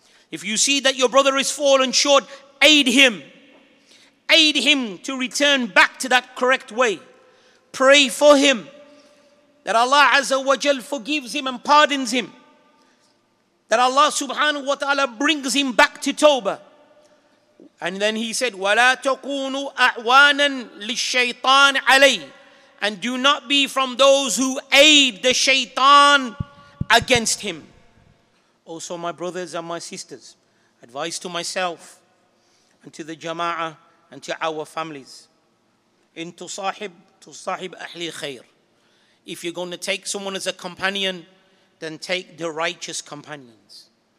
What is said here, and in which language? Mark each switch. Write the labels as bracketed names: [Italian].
[English] If you see that your brother is fallen short, aid him. Aid him to return back to that correct way. Pray for him that Allah Azza wa Jal forgives him and pardons him. That Allah subhanahu wa ta'ala brings him back to Tawbah. [Arabic] And then he said, وَلَا تَكُونُوا أَعْوَانًا لِلشَّيْطَانِ عَلَيْهِ. [English] And do not be from those who aid the shaitan against him. Also, my brothers and my sisters, advice to myself and to the jama'ah and to our families. [Arabic] In tusahib, tusahib ahli khair. [English] If you're going to take someone as a companion, then take the righteous companions.